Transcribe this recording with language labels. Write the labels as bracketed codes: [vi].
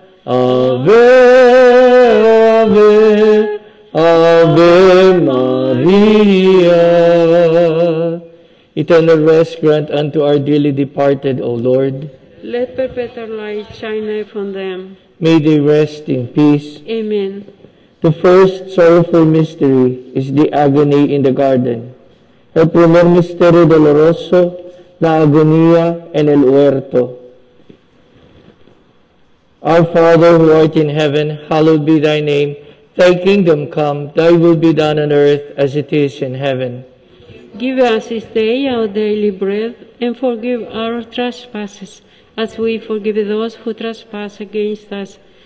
[la] Ave, Ave, Ave Maria. [en] Eternal rest grant unto our dearly departed, O Lord. Let perpetual light shine upon them. May they rest in peace. Amen. The first sorrowful mystery is the agony in the garden. [es] El primer misterio doloroso, la agonía en el huerto. [en] Our Father who art in heaven, hallowed be thy name. Thy kingdom come, thy will be done on earth as it is in heaven. Give us this day our daily bread, and forgive our trespasses, as we forgive those who trespass against us.